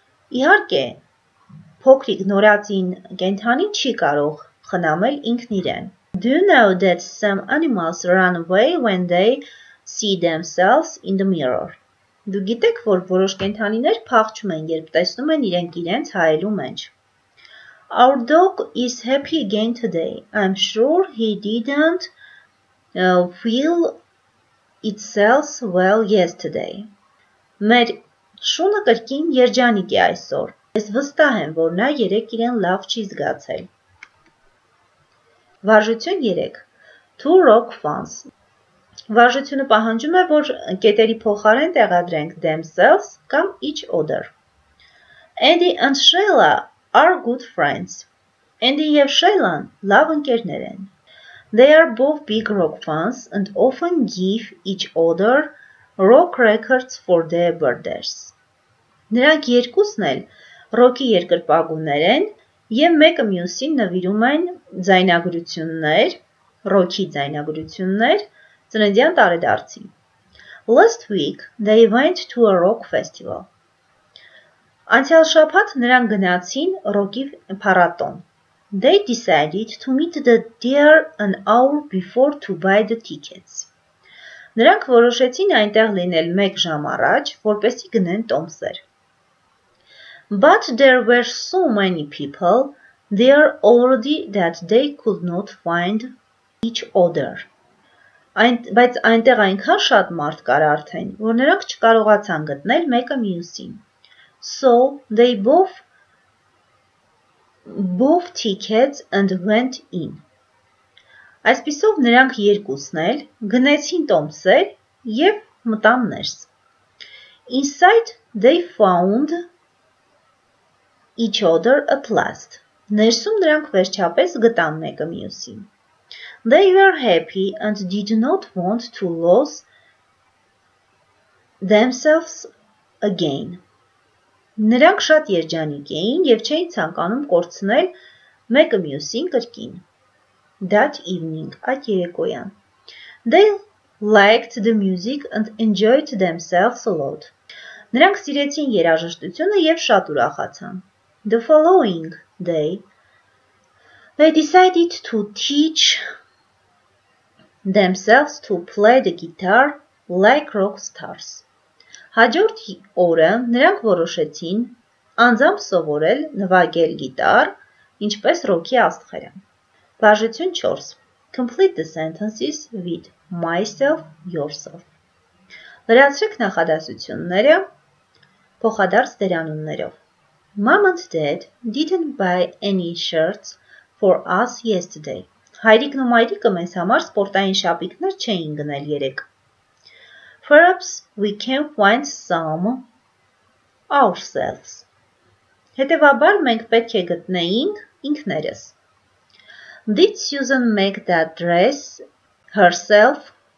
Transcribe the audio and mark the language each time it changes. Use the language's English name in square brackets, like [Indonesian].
[Armenian] Իհարկե, փոքրիկ նորածին կենդանին չի կարող խնամել ինքն իրեն։ [English] Do you know that some animals run away when they see themselves in the mirror? [Armenian] Դու գիտեք, որ որոշ կենդանիներ փախչում են, երբ տեսնում են իրենք իրենց հայելու մեջ։ [English] Our dog is happy again today. I'm sure he didn't feel itself well yesterday. [Armenian] Մեր շունը կրկին երջանիկ է այսօր։ Ես վստահ եմ, որ նա երեկ իրեն լավ չի զգացել։ Վարժություն 3. [English] Two rock fans. [Armenian] Վարժությունը պահանջում է, որ կետերի փոխարեն տեղադրենք themselves կամ each other. [English] Andy and Sheila are good friends. [Armenian] Andy եւ Sheila-ն լավ ընկերներ են. [English] They are both big rock fans and often give each other rock records for their birthdays. [Armenian] Նրանք երկուսն էլ ռոքի երկրպագուներ են եւ մեկը մյուսին նվիրում են ձայնագրություններ, ռոքի ձայնագրություններ ծննդյան տարեդարձին. [English] Last week they went to a rock festival. [Armenian] Անցյալ շաբաթ նրանք գնացին ռոքի փառատոն. [English] They decided to meet the deer an hour before to buy the tickets. [Armenian] Նրանք որոշեցին այնտեղ լինել 1 ժամ առաջ, որպեսզի գնեն տոմսեր. [English] But there were so many people there already that they could not find each other. [Armenian] Բայց այնտեղ այնքան շատ մարդ կար արդեն, որ նրանք չկարողացան գտնել մեկը մյուսին։ [English] So they both tickets and went in. [Armenian] Այսպիսով նրանք երկուսն էլ գնացին տոմսեր եւ մտան ներս. [English] Inside they found each other at last. [Armenian] Ներսում նրանք վերջապես գտան մեկը մյուսին. [English] They were happy and did not want to lose themselves again. [Armenian] Նրանք շատ երջանիկ էին եւ չէին ցանկանում կորցնել մեկը մյուսին կրկին. [English] That evening, [Armenian] այդ երեկոյան. [English] They liked the music and enjoyed themselves a lot. [Armenian] Նրանք սիրեցին երաժշտությունը եւ շատ ուրախացան. [English] The following day, they decided to teach themselves to play the guitar like rock stars. [Armenian] Հաջորդ օրը նրանք որոշեցին անձամբ սովորել նվագել գիտար, ինչպես ռոքի աստղերը։ Բաժություն 4. [English] Complete the sentences with myself, yourself. [Armenian] Լրացրեք նախադասությունները փոխադարձ դերանուններով. [English] Mom and Dad didn't buy any shirts for us yesterday. [Armenian] Հայրիկն ու մայրիկը մեզ համար սպորտային շապիկներ չէին գնել երեկ։ [English] Perhaps we can find some ourselves. [Armenian] Հետևաբար մենք պետք է գտնեինք ինքներս։ [English] Did Susan make that dress herself?